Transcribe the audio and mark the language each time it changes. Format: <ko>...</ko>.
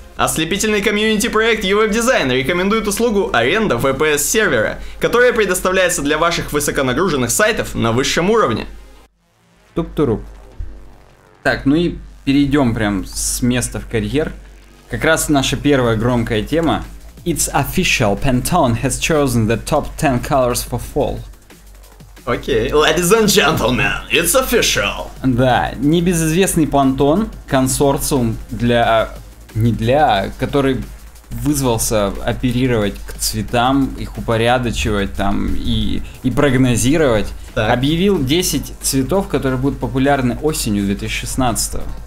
<ru>Ослепительный комьюнити-проект UWeb Design рекомендует услугу аренда VPS-сервера, которая предоставляется для ваших высоконагруженных сайтов на высшем уровне. Туп-туруп. Так, ну и перейдем прям с места в карьер. Как раз наша первая громкая тема.</ru> <en>It's official, Pantone has chosen the top 10 colors for fall.</en> <ru>Окей.</ru> <en>Okay. Ladies and gentlemen, it's official.</en> <ru>Да, небезызвестный Pantone, консорциум для... Не для, который вызвался оперировать к цветам, их упорядочивать там и прогнозировать, так. Объявил 10 цветов, которые будут популярны осенью 2016-го.</ru>